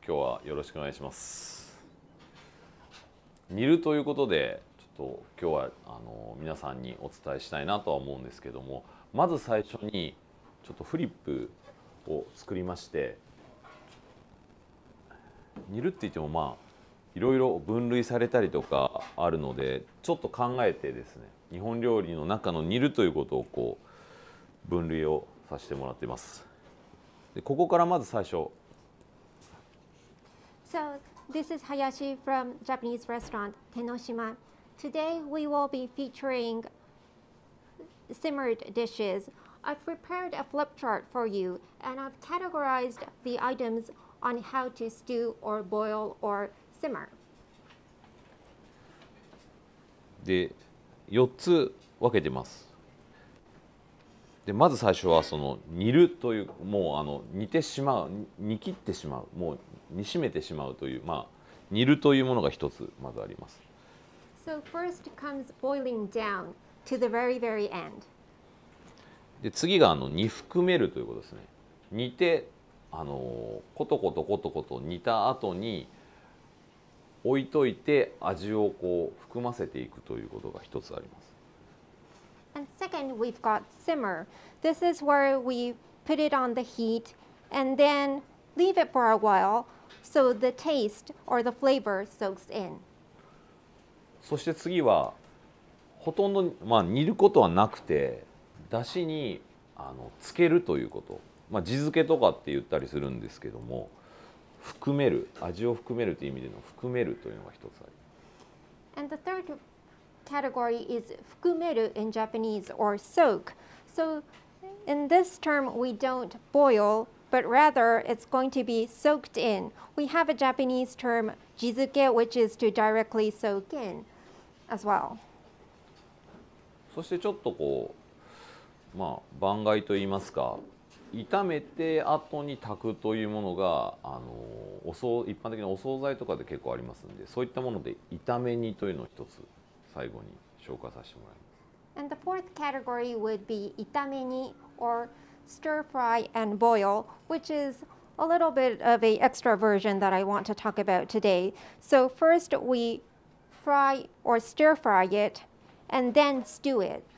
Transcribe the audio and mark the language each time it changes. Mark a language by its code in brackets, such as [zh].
[ja] 今日はよろしくお願いします。煮るということで、ちょっと今日は皆さんにお伝えしたいなとは思うんですけども、まず最初にちょっとフリップを作りまして、煮るって言ってもまあいろいろ分類されたりとかあるので、ちょっと考えてですね、日本料理の中の煮るということをこう分類をさせてもらっています。でここからまず最初。 [en] So this is Hayashi from Japanese restaurant Tenoshima. Today we will be featuring simmered dishes. I've prepared a flip chart for you and I've categorized the items on how to stew or boil or simmer. [ja] で4つ分けてます。でまず最初はその煮るというもう煮てしまう煮切ってしまうもう煮しめてしまうというまあ煮るというものが一つまずあります。 [en] So first comes boiling down to the very very end. [ja] で次が煮含めるということですね。煮てコトコトコトコト煮た後に置いといて味をこう含ませていくということが一つあります。 [en] And second, we've got simmer. This is where we put it on the heat and then leave it for a while so the taste or the flavor soaks in. [ja] そして次はほとんど、まあ、煮ることはなくて出汁に漬けるということ。まあ、地漬けとかって言ったりするんですけども含める、味を含めるという意味での含めるというのが一つあります。 [en] And the thirdcategory is 含める in Japanese or soak. So in this term we don't boil, but rather it's going to be soaked in. We have a Japanese term jizuke, which is to directly soak in as well. [ja] そしてちょっとこう、まあ、番外といいますか、炒めて後に炊くというものが一般的にお惣菜とかで結構ありますんで、そういったもので炒め煮というのを一つ。最後に紹介させてもらいます。 [en] And the fourth category would be 炒め煮 or stir fry and boil, which is a little bit of an extra version that I want to talk about today. So first we fry or stir fry it and then stew it.